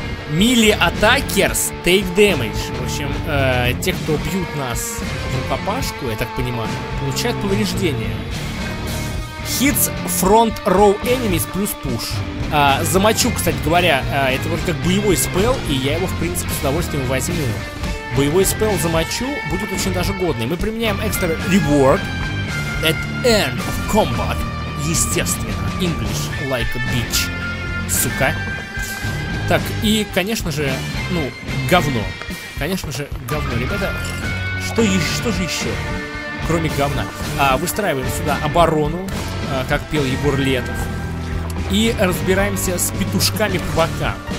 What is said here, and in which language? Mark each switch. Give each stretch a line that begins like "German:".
English: Мили атакерс, take damage.
Russian: В общем, те, кто бьют нас в рукопашку, я так понимаю, получают повреждения.
English: Hits front row enemies plus push.
Russian: Замочу, кстати говоря, это вроде как боевой спелл, и я его, в принципе, с удовольствием возьму. Боевой спелл замочу будет очень даже годный. Мы применяем
English: extra reward at end of combat.
Russian: Естественно,
English: English like a bitch.
Russian: Сука. Так, и, конечно же, ну, говно. Конечно же, говно. Ребята, что же еще, кроме говна? Выстраиваем сюда оборону, как пел Егор Летов. И разбираемся с петушками по бокам.